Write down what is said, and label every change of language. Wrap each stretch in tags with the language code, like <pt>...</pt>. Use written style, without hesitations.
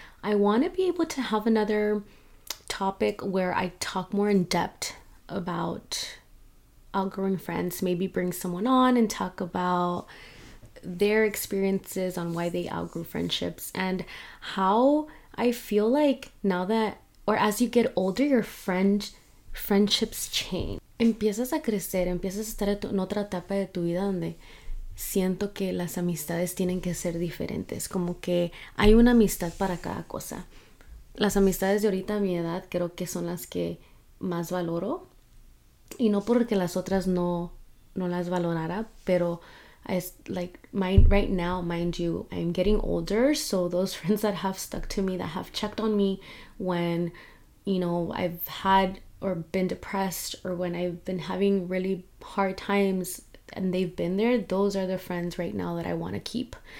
<en>I want to be able to have another topic where I talk more in depth about outgrowing friends, maybe bring someone on and talk about their experiences on why they outgrew friendships and how I feel like now that, or as you get older, your friendships change.</en> <es>Empiezas a crecer, empiezas a estar en otra etapa de tu vida donde siento que las amistades tienen que ser diferentes, como que hay una amistad para cada cosa. Las amistades de ahorita a mi edad creo que son las que más valoro, y no porque las otras no las valorara, pero es</es> <en>like right now, mind you, I'm getting older, so those friends that have stuck to me, that have checked on me when, you know, I've had or been depressed or when I've been having really hard times and they've been there, those are the friends right now that I want to keep.</en>